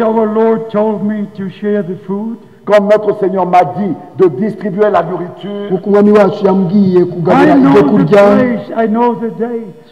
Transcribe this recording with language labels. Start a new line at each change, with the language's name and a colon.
English: our Lord told me to share the food,
French: comme notre Seigneur m'a dit de distribuer la nourriture,
English: I know the place, I know the date.